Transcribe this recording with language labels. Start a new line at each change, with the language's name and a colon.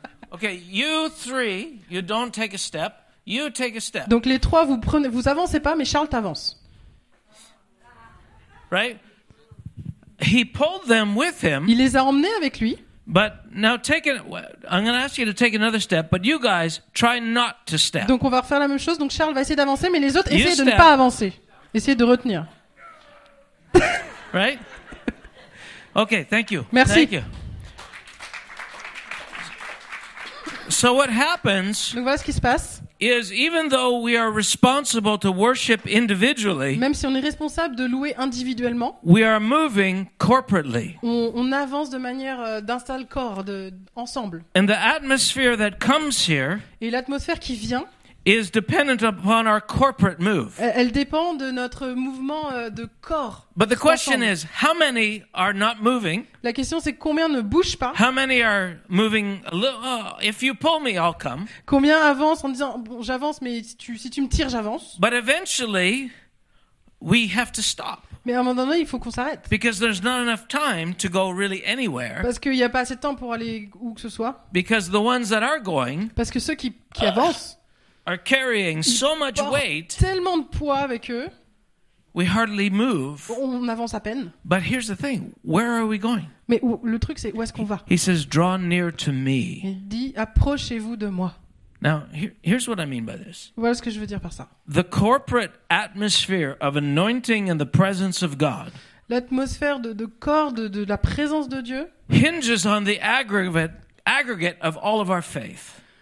English: Okay, you three, you don't take a step. You take a step.
French: Donc les trois, vous prenez, vous avancez pas, mais Charles t'avance.
English: Right? He pulled them with him.
French: Il les a emmenés avec lui.
English: But now take an, I'm going to ask you to take another step, but you guys try not to step.
French: Donc on va refaire la même chose. Donc Charles va essayer d'avancer, mais les autres essayent de ne pas avancer. Essayez de retenir.
English: Right? Okay, thank you.
French: Merci.
English: Thank you. So what happens?
French: Donc voilà ce qui se passe.
English: Is even though we are responsible to worship individually,
French: même si on est responsable de louer individuellement,
English: we are moving corporately.
French: On avance de manière d'installe corps de ensemble.
English: And the atmosphere that comes here,
French: et l'atmosphère qui vient,
English: is dependent upon our corporate move.
French: Elle dépend de notre mouvement de corps.
English: But the question is, how many are not moving?
French: La question c'est combien ne bouge pas?
English: How many are moving a little, oh, if you pull me, I'll come.
French: Combien avance en disant bon, j'avance mais si tu me tires j'avance.
English: But eventually we have to stop.
French: Mais à un moment donné, il faut qu'on s'arrête.
English: Because there's not enough time to go really anywhere.
French: Parce qu'il y a pas assez de temps pour aller où que ce soit.
English: Because the ones that are going,
French: parce que ceux qui avancent
English: are carrying so much weight.
French: Tellement de poids avec eux.
English: We hardly move.
French: On avance à peine.
English: But here's the thing. Where are we going?
French: Mais le truc c'est où est-ce qu'on va?
English: He says draw near to me.
French: Il dit approchez-vous de moi.
English: Now, here's what I mean by this.
French: Voilà ce que je veux dire par ça.
English: The corporate atmosphere of anointing and the presence of God.
French: L'atmosphère de corps de la présence de Dieu.
English: Hinges on the aggregate of all of our faith.